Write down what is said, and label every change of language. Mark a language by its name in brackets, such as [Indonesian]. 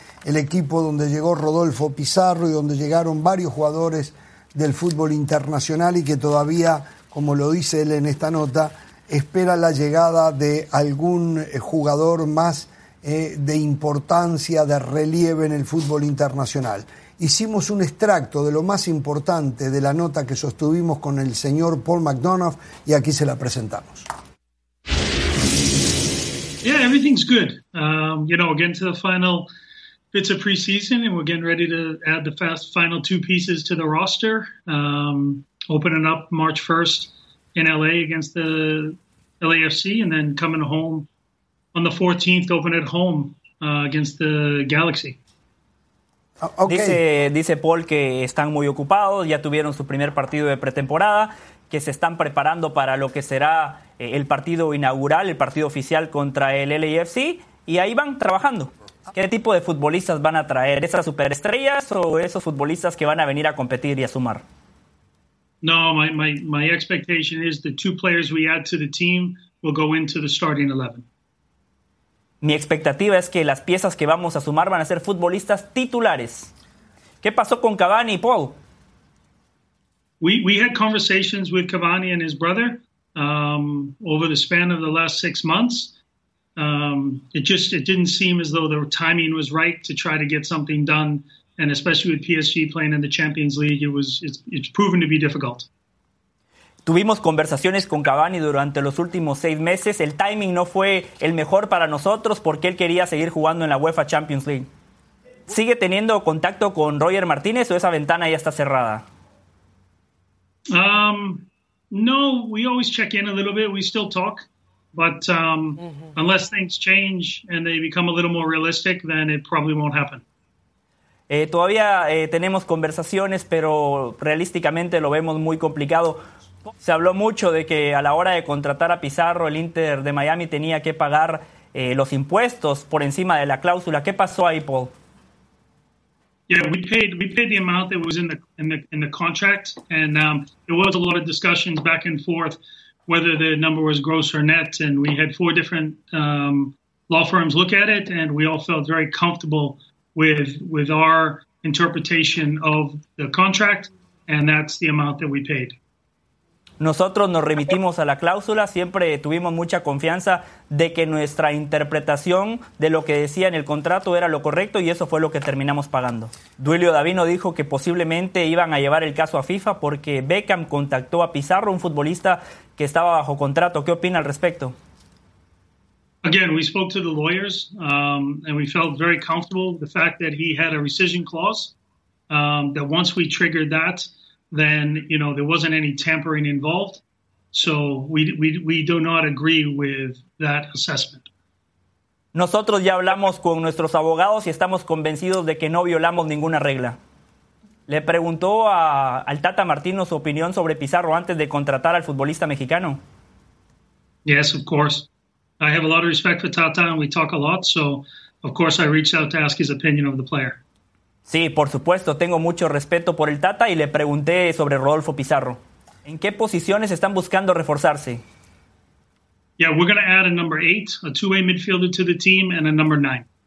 [Spanish] el equipo donde llegó Rodolfo Pizarro y donde llegaron varios jugadores del fútbol internacional y que todavía, como lo dice él en esta nota, espera la llegada de algún jugador más de importancia, de relieve en el fútbol internacional. Hicimos un extracto de lo más importante de la nota que sostuvimos con el señor Paul McDonough y aquí se la presentamos. [English] Yeah, everything's good. You know, we're getting to the final bits of preseason, and we're getting ready to add the final two pieces to the roster. Opening up March 1st in LA against the LAFC, and then coming home on the 14th to open at home against the Galaxy. Okay. [Spanish] Dice Paul que están muy ocupados, ya tuvieron su primer partido de pretemporada, que se están preparando para lo que será el partido inaugural, el partido oficial contra el LAFC, y ahí van trabajando. ¿Qué tipo de futbolistas van a traer? ¿Esas superestrellas o esos futbolistas que van a venir a competir y a sumar? [English] No, my expectation is the two players we add to the team will go into the starting 11. [Spanish] Mi expectativa es que las piezas que vamos a sumar van a ser futbolistas titulares. ¿Qué pasó con Cavani y Paul? [English] We had conversations with Cavani and his brother over the span of the last 6 months. It didn't seem as though the timing was right to try to get something done, and especially with PSG playing in the Champions League, it's proven to be difficult. [Spanish] Tuvimos conversaciones con Cavani durante los últimos 6 meses. El timing no fue el mejor para nosotros porque él quería seguir jugando en la UEFA Champions League. ¿Sigue teniendo contacto con Roger Martínez o esa ventana ya está cerrada? [English] No, we always check in a little bit. We still talk. But unless things change and they become a little more realistic, then it probably won't happen. [Spanish] Todavía tenemos conversaciones, pero realísticamente lo vemos muy complicado. Se habló mucho de que a la hora de contratar a Pizarro, el Inter de Miami tenía que pagar los impuestos por encima de la cláusula. ¿Qué pasó ahí, Paul? [English] Yeah, we paid the amount that was in the contract, and there was a lot of discussions back and forth whether the number was gross or net, and we had 4 different law firms look at it, and we all felt very comfortable with our interpretation of the contract, and that's the amount that we paid. [Spanish] Nosotros nos remitimos a la cláusula, siempre tuvimos mucha confianza de que nuestra interpretación de lo que decía en el contrato era lo correcto y eso fue lo que terminamos pagando. Duilio Davino dijo que posiblemente iban a llevar el caso a FIFA porque Beckham contactó a Pizarro, un futbolista que estaba bajo contrato. ¿Qué opina al respecto? [English] Again, we spoke to the lawyers and we felt very comfortable with the fact that he had a rescission clause, that once we triggered that, then, you know, there wasn't any tampering involved. So we do not agree with that assessment. [Spanish] Nosotros ya hablamos con nuestros abogados y estamos convencidos de que no violamos ninguna regla. Le preguntó al Tata Martino su opinión sobre Pizarro antes de contratar al futbolista mexicano. [English] Yes, of course. I have a lot of respect for Tata and we talk a lot. So, of course, I reached out to ask his opinion of the player. [Spanish] Sí, por supuesto, tengo mucho respeto por el Tata y le pregunté sobre Rodolfo Pizarro. ¿En qué posiciones están buscando reforzarse? [English] Yeah, we're going to add a number 8, a two-way midfielder to the team, and a number 9.